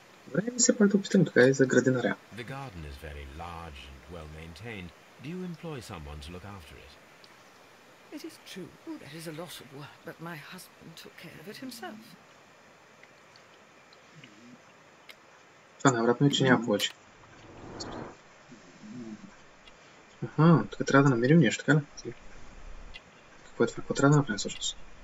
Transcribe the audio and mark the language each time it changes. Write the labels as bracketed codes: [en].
[bg] Добре, ми се пак да опитам така и за градинаря. [en] The garden is very large and well maintained. Do you employ someone to look after it? It is true. That is a lot of work, but my husband took care of it himself. [bg] Това навратно е, че няма повече. Аха, тук трябва да намерим нещо, така ли? Какво е това? Какво трябва да направим всъщност?